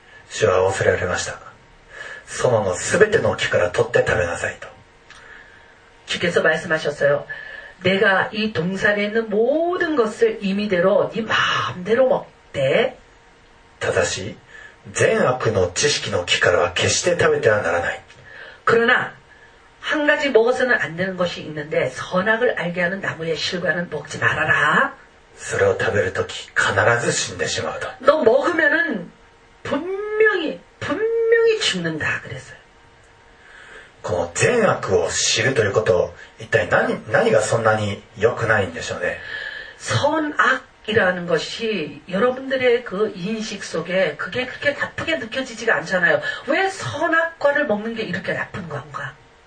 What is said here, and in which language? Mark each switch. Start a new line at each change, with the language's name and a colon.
Japanese: 主は恐れられました園の全ての木から取って食べなさいと
Korean: 주께서말씀하셨어요내가이동산에있는모든것을임의대로네마음대로먹대
Japanese: ただし善悪の知識の木からは決して食べてはならない
Korean: 그러나한가지먹어서는안되는것이있는데선악을알게하는나무의실과는먹지말아라
Japanese: それを食べるとき必ず死んでしまうと
Korean: 너먹으면은분명히분명히죽는다그랬어요
Japanese: この善悪を知るということ一体 何がそんなに良くないんでしょうね
Korean: 선악이라는것이여러분들의그인식속에그게그렇게나쁘게느껴지지가않잖아요왜선악과를먹는게이렇게나쁜건가